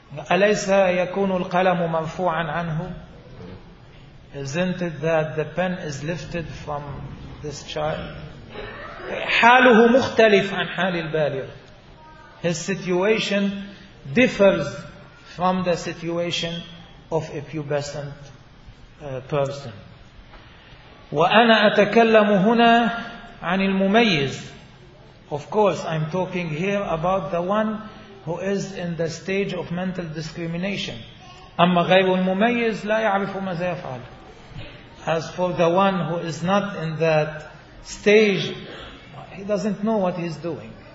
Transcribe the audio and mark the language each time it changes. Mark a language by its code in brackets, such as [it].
[ar] أليس يكون القلم مرفوعا عنه؟ [en] Isn't it that the pen is lifted from this child? [ar] حاله مختلف عن حال البالغ. [en] His situation differs from the situation of a pubescent person. [ar] وأنا أتكلم هنا عن المميز. [en] Of course, I'm talking here about the one who is in the stage of mental discrimination. [ar] أما غير المميز لا يعرف ماذا يفعل. [en] As for the one who is not in that stage, he doesn't know what he's doing.